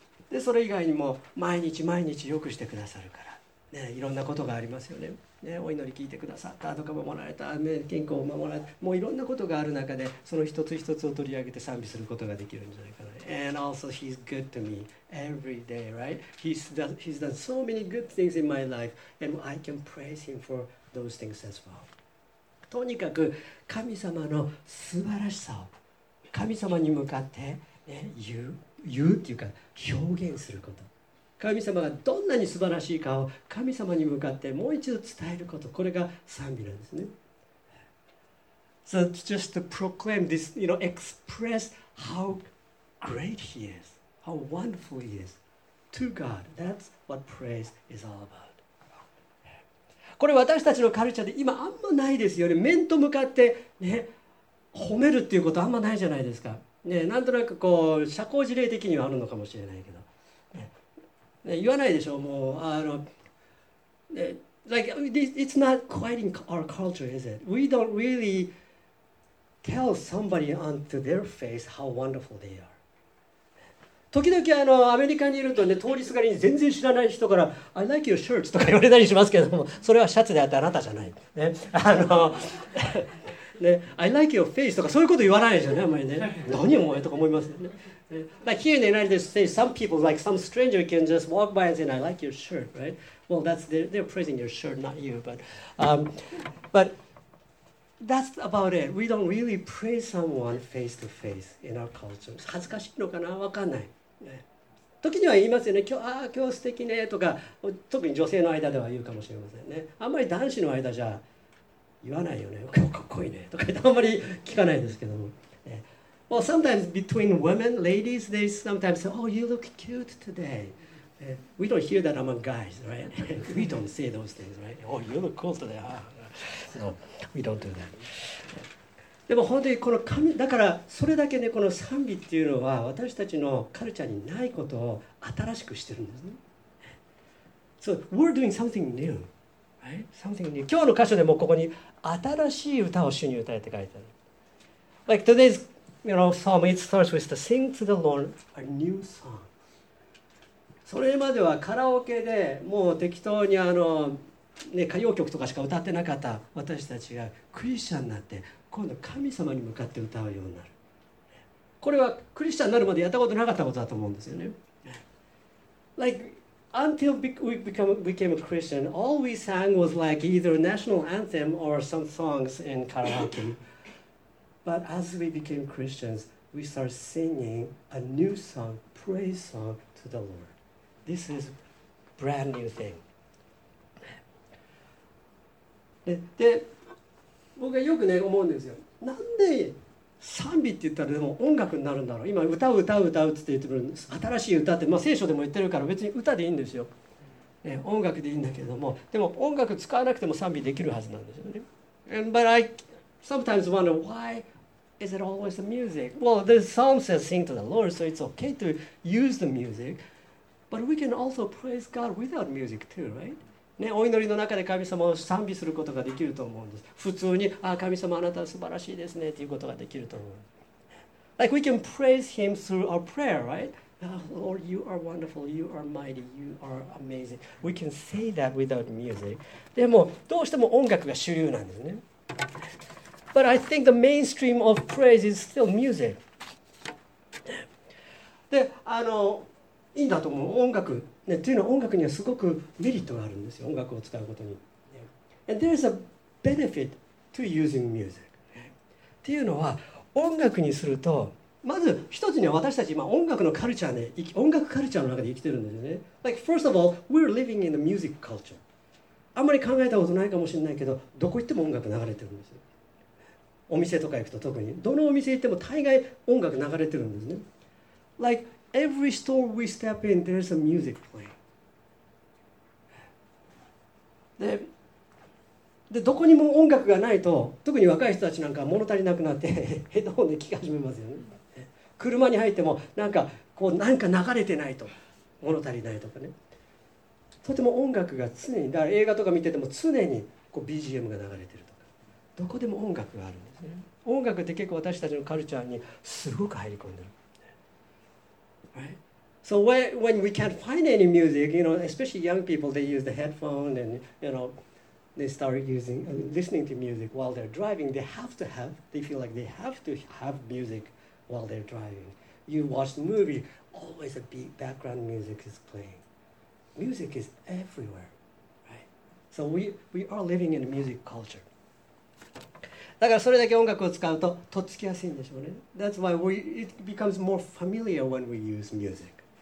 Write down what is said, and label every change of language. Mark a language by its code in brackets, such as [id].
[ja] で、それ以外にも毎日毎日良くしてくださるから、ね、いろんなことがありますよね。ね、お祈り聞いてくださったとか守られた、健康を守られた、もういろんなことがある中でその一つ一つを取り上げて賛美することができるんじゃないかな。 [en] And also he's good to me every day, right? He's done so many good things in my life and I can praise him for those things as well. [ja] とにかく神様の素晴らしさを神様に向かって、ね、言うっていうか表現すること、神様がどんなに素晴らしいかを神様に向かってもう一度伝えること、これが賛美なんですね。 [en] So just to proclaim this, you know, express how great he is, how wonderful he is to God. That's what praise is all about. [ja] これ私たちのカルチャーで今あんまないですよね。面と向かって、ね、褒めるっていうことあんまないじゃないですか、ね、なんとなくこう社交辞令的にはあるのかもしれないけど、言わないでしょ、もう、あの、 [en] like, it's not quite in our culture, is it? We don't really tell somebody onto their face how wonderful they are. [ja] 時々あの、アメリカにいるとね、通りすがりに全然知らない人から、 [en] I like your shirts [ja] とか言われたりしますけども、それはシャツであってあなたじゃない。ね、あの、ね、 [en] I like your face [ja] とかそういうこと言わないでしょね、あんまりね。何をもえとか思いますよね。 [en] Like here in the United States, some people, like some stranger, can just walk by and say, "I like your shirt," right? Well, that's they're praising your shirt, not you. But that's about it. We don't really praise someone face to face in our culture. [ja] 恥ずかしいのかな、わかんない。時には言いますよね。今日素敵ねとか、特に女性の間では言うかもしれませんね。あんまり男子の間じゃ言わないよね。かっこいいねとかあんまり聞かないですけども。 [en] Well, sometimes between women, ladies, they sometimes say, oh, you look cute today. We don't hear that among guys, right? We don't say those things, right? Oh, you look cool today, huh? No, we don't do that. [ja] でも本当にこの神、だからそれだけね、この賛美っていうのは私たちのカルチャーにないことを新しくしてるんですね。 [en] So, we're doing something new, right? Something new. [ja] 今日の箇所でもここに新しい歌を主に歌えって書いてある。 [en] Like today'sYou know, Psalm, it starts with the sing to the Lord a new song. [ja] それまではカラオケでもう適当にあの、ね、歌謡曲とかしか歌ってなかった私たちがクリスチャンになって今度神様に向かって歌うようになる。これはクリスチャンになるまでやったことなかったことだと思うんですよね。 [en] Like, until we became a Christian, all we sang was like either national anthem or some songs in karaoke. But as we became Christians, we start singing a new song, praise song to the Lord. This is a brand new thing. [ja] で、僕はよくね、思うんですよ。なんで賛美って言ったらでも音楽になるんだろう。今歌う歌う歌うって言ってくるんです。新しい歌って、まあ、聖書でも言ってるから別に歌でいいんですよ、音楽でいいんだけども、でも音楽使わなくても賛美できるはずなんですよね。 [en] And, But I sometimes wonder why is it always the music? Well, the psalm says sing to the Lord, so it's okay to use the music. But we can also praise God without music too, right? [ja] ね、お祈りの中で神様を賛美することができると思うんです。普通に、ああ神様あなたは素晴らしいですねということができると思う。 [en] Like we can praise him through our prayer, right? Lord, you are wonderful, you are mighty, you are amazing. We can say that without music. [ja] でもどうしても音楽が主流なんですね。 [en] But I think the mainstream of praise is still music. [ja] で、いいんだと思う。音楽、ね、というのは音楽にはすごくメリットがあるんですよ。音楽を使うことに。 [en] Yeah. And there's a benefit to using music. [ja] っていうのは音楽にすると、まず一つには私たち今音楽のカルチャーで、音楽カルチャーの中で生きてるんですよね。 [en] Like first of all, we're living in the music culture. [ja] あんまり考えたことないかもしれないけど、どこ行っても音楽流れてるんですよ。お店とか行くと特に、どのお店行っても大概音楽流れてるんですね。 [en] Like,Every store we step in, there's a music playing. [ja] で、どこにも音楽がないと、特に若い人たちなんか物足りなくなってヘッドホンで聴き始めますよね。車に入ってもなんかこうなんか流れてないと物足りないとかね。とても音楽が常に、だから映画とか見てても常にこう BGM が流れてるとか、どこでも音楽があるんですね。音楽って結構私たちのカルチャーにすごく入り込んでる。 [en] Right? So when we can't find any music, you know, especially young people, they use the headphone and, you know, they start using, listening to music while they're driving. They feel like they have to have music while they're driving. You watch the movie, always a beat, background music is playing. Music is everywhere, right? So we are living in a music culture. [ja] だからそれだけ音楽を使うととっつきやすいんでしょうね。 [en] That's why it becomes more familiar when we use music.